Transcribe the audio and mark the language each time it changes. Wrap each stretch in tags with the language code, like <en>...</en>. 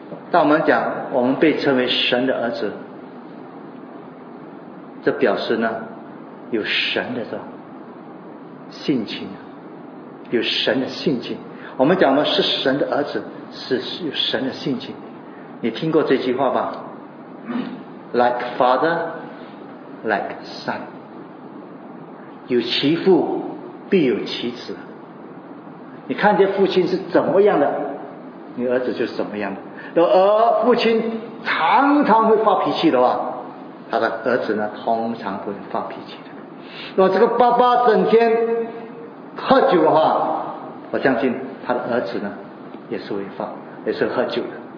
<zh>当我们讲我们被称为神的儿子，这表示呢有神的这性情，有神的性情。我们讲呢是神的儿子，是有神的性情。你听过这句话吧？</zh> <en>Like father like son，</en> <zh>有其父必有其子。你看见父亲是怎么样的，你儿子就是怎么样的。而父亲常常会发脾气的话，他的儿子呢通常不会发脾气的。如果这个爸爸整天喝酒的话，我相信他的儿子呢也是喝酒的。</zh>